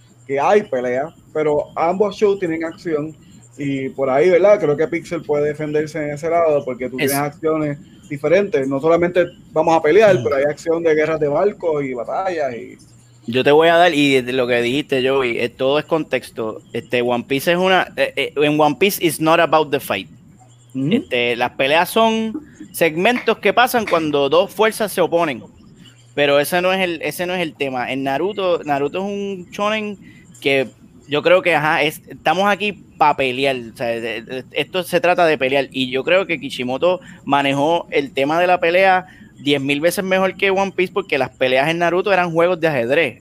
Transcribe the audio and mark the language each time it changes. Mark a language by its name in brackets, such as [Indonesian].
[Spanish] Que hay pelea, pero ambos shows tienen acción y por ahí, ¿verdad? Creo que Pixel puede defenderse en ese lado porque tú tienes acciones diferentes. No solamente vamos a pelear, pero hay acción de guerras de barcos y batallas. Yo te voy a dar, y lo que dijiste, Joey, todo es contexto. One Piece es una. [English] En One Piece, it's not about the fight. Uh-huh. [Spanish] Las peleas son segmentos que pasan cuando dos fuerzas se oponen. Pero ese no es el tema. En Naruto es un shonen que yo creo que estamos aquí para pelear. O sea, esto se trata de pelear. Y yo creo que Kishimoto manejó el tema de la pelea 10,000 veces mejor que One Piece, porque las peleas en Naruto eran juegos de ajedrez.